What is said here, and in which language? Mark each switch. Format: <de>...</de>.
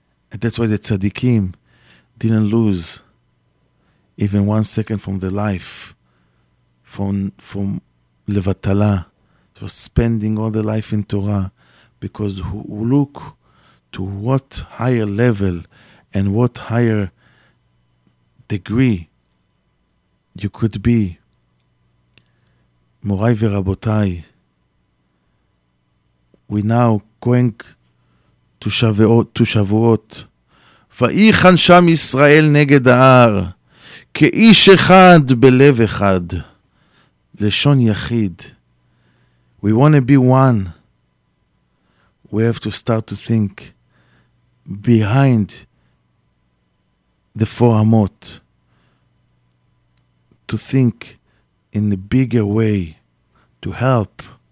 <en>And that's why the tzaddikim didn't lose even 1 second from the life, from Levatala, to spending all the life in Torah, because who look to what higher level and what higher degree you could be.</en> <he>מוריי ורבותיי,</he> <en>we now going to שבועות, to שבועות.</en> <he>ויחן שם ישראל נגד ההר, כאיש אחד בלב אחד, לשון יחיד.</he> <en>We want to be one. We have to start to think behind the four amot, to think in a bigger way, to help</en>